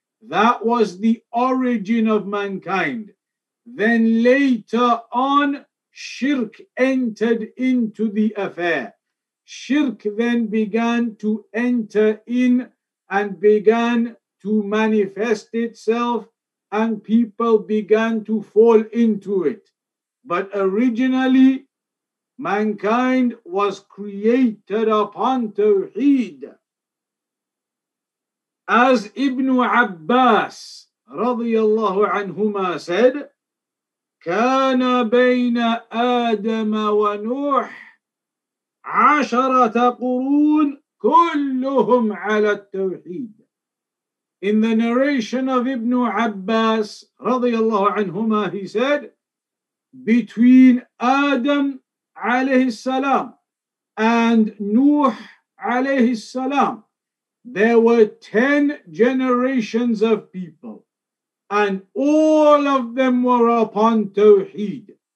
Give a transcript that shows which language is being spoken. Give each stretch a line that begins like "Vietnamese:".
English: That was the origin of mankind. Then later on, shirk entered into the affair. Shirk then began to enter in and began to manifest itself, and people began to fall into it. But originally, mankind was created upon Tawhid. As Ibn Abbas, radiyallahu anhuma, said,
Arabic: كَانَ بَيْنَ آدَمَ وَنُوح عَشَرَةَ قُرُونَ كُلُّهُمْ عَلَى التَّوْحِيدِ.
English: In the narration of Ibn Abbas, radiyallahu anhuma, he said, between Adam, alayhi salam, and Nuh, alayhi salam, there were 10 generations of people, and all of them were upon Tawheed.